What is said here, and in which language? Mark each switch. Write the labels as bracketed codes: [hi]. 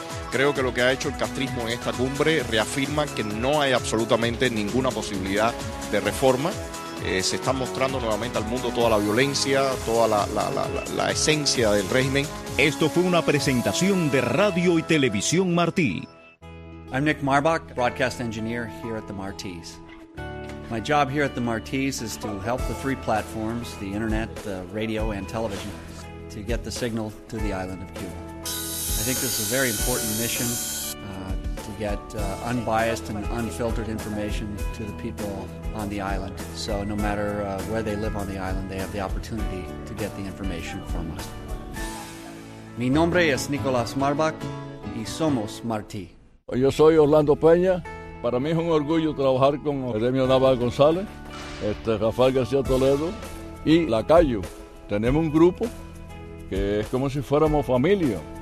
[es] Creo que lo que ha hecho el castrismo en esta cumbre reafirma que no hay absolutamente ninguna posibilidad de reforma. Se está mostrando nuevamente al mundo toda la violencia, toda la esencia del régimen. Esto fue una presentación de Radio y Televisión Martí. [en] I'm Nick Marbach, broadcast engineer here at the Martí's. My job here at the Martí's is to help the three platforms, the internet, the radio and television, to get the signal to the island of Cuba. I think this is a very important mission to get unbiased and unfiltered information to the people on the island. So no matter where they live on the island, they have the opportunity to get the information from us. [es] Mi nombre es Nicolás Marbach y somos Martí. Yo soy Orlando Peña. Para mí es un orgullo trabajar con Eremio Navas González, Rafael García Toledo y Lacayo. Tenemos un grupo que es como si fuéramos familia.